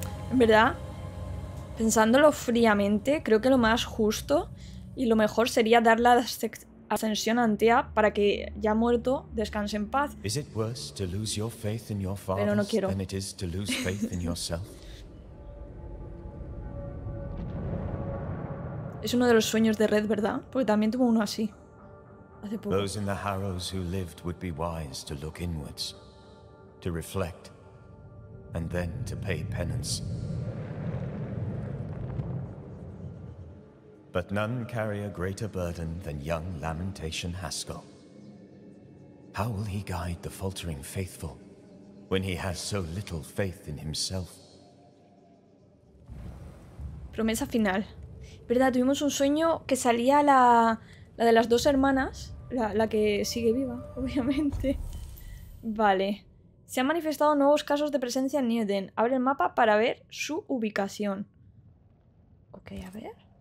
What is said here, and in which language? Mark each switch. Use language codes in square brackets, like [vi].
[es] En verdad, pensándolo fríamente, creo que lo más justo y lo mejor sería darle a ascensión a Antea para que, ya muerto, descanse en paz. [en] Is it worse to lose your faith in your fathers? [es] Pero no quiero. [en] Than it is to lose faith in yourself? [es] Es uno de los sueños de Red, ¿verdad? Porque también tuvo uno así hace poco. [en] Those in the Harrows who lived would be wise to look inwards, to reflect, and then to pay penance. But none carry a greater burden than young Lamentation Haskell. How will he guide the faltering faithful when he has so little faith in himself? [es] Promesa final. Verdad, tuvimos un sueño que salía la de las dos hermanas, la que sigue viva, obviamente. Vale. Se han manifestado nuevos casos de presencia en Nieden. Abre el mapa para ver su ubicación. Ok, a ver.